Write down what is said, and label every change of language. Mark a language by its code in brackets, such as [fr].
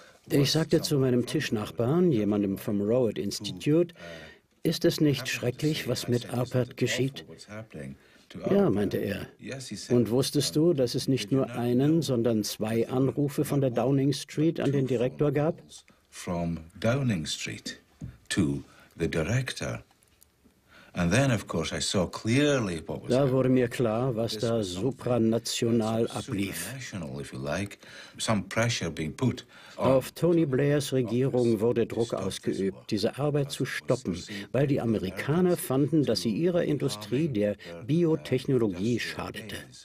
[de] Ich sagte zu meinem Tischnachbarn, jemandem vom Rowett Institute, ist es nicht schrecklich, was mit Arpad geschieht? Ja, meinte er. Und wusstest du, dass es nicht nur einen, sondern 2 Anrufe von der Downing Street an den Direktor gab? [en] From Downing Street to the director. And then, of course, I saw clearly what was [de] da wurde mir klar, was da supranational ablief. Auf Tony Blairs Regierung wurde Druck ausgeübt, diese Arbeit zu stoppen, weil die Amerikaner fanden, dass sie ihrer Industrie, der Biotechnologie, schadete.